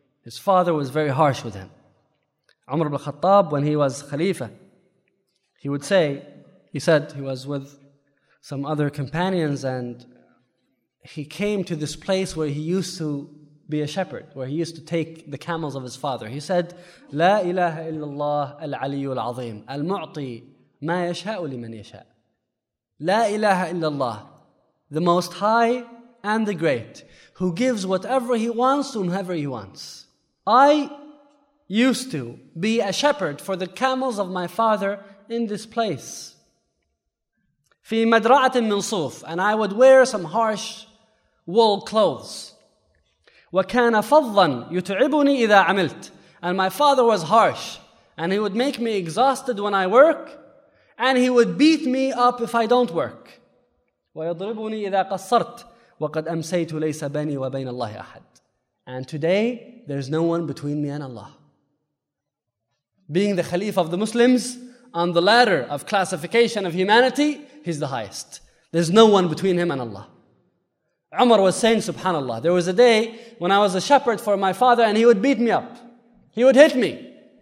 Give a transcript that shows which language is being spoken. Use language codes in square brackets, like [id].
[en] His father was very harsh with him. Umar ibn Khattab, when he was Khalifa, he said he was with some other companions and he came to this place where he used to be a shepherd, where he used to take the camels of his father. He said, [ar] لا إله إلا الله العلي العظيم المعطي ما يشاء لمن يشاء. لا إله إلا الله, [en] the most high and the great, who gives whatever he wants to whomever he wants. I used to be a shepherd for the camels of my father in this place. [ar] في مدرعة من صوف, [en] and I would wear some harsh wool clothes. [ar] وكان فضًا يتعبني إذا عملت, [en] and my father was harsh and he would make me exhausted when I work and he would beat me up if I don't work. [ar] ويضربني إذا قصرت وقد أمسيت ليس بيني وبين الله أحد, [en] and today there's no one between me and Allah. Being the Khalifa of the Muslims, on the ladder of classification of humanity, he's the highest. There's no one between him and Allah. Umar was saying, subhanAllah, there was a day when I was a shepherd for my father and he would beat me up. He would hit me.